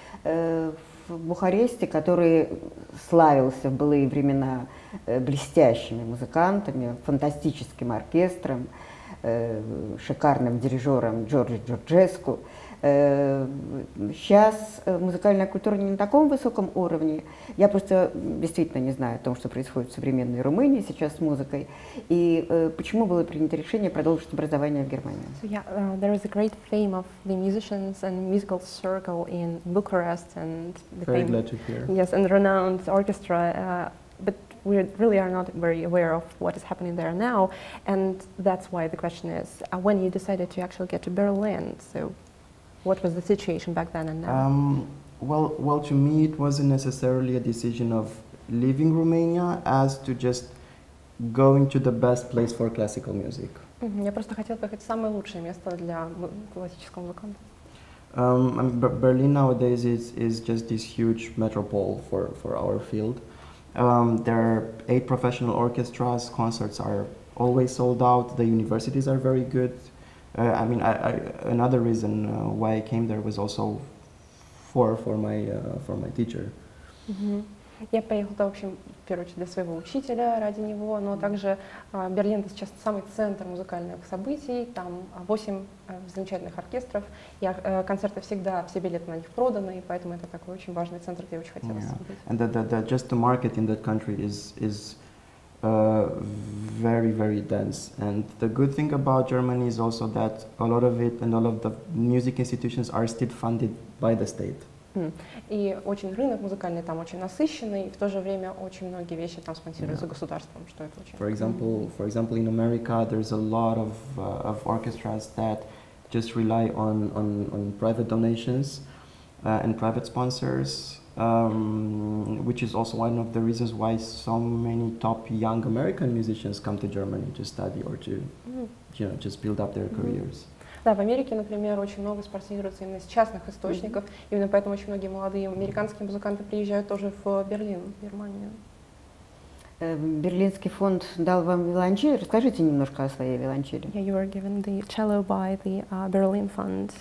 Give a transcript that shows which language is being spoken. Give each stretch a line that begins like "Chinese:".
Russian: В Бухаресте, который славился в былые времена блестящими музыкантами, фантастическим оркестром, шикарным дирижером Джорджи Джорджеску. Сейчас музыкальная культура не на таком высоком уровне. Я просто действительно не знаю о том, что происходит в современной Румынии сейчас с музыкой. И почему было принято решение продолжить образование в Германии?
English: So yeah, there is a great fame of the musicians and musical circle in Bucharest and the very fame, glad to hear. Yes, and the renowned orchestra. But we really are not very aware of what is happening there now, and that's why the question is, when you decided to actually get to Berlin, so what was the situation back then and now? Well, to me it wasn't necessarily a decision of leaving Romania as to just going to the best place for classical music.
Russian: Я просто хотела поехать в самое лучшее место для классического музыканта.
English: Berlin nowadays is just this huge metropole for our field. There are 8 professional orchestras, concerts are always sold out, the universities are very good. Another reason why I came there was also for my teacher.
Russian: Я поехала, в общем, в первую очередь для своего учителя, ради него, но также Берлин сейчас самый центр музыкальных событий, там 8 замечательных оркестров, и концерты всегда, все билеты на них проданы, и поэтому это такой очень важный центр, где очень хотелось быть.
English: And that just the market in that country is very, very dense. And the good thing about Germany is also that a lot of it and all of the music institutions are still funded by the state.
Russian: И очень рынок музыкальный там очень насыщенный, и в то же время очень многие вещи там спонсируются yeah. государством, что это очень.
English: For example, in America there's a lot of orchestras that just rely on private donations and private sponsors, which is also one of the reasons why so many top young American musicians come to Germany to study or to you know, just build up their careers.
Russian: Да, в Америке, например, очень много спонсируется именно с частных источников. Mm-hmm. Именно поэтому очень многие молодые американские музыканты приезжают тоже в Берлин, в Германию. Берлинский фонд дал вам виолончель. Расскажите немножко о своей виолончели.
English: Yeah, you were given the cello by the Berlin Fund.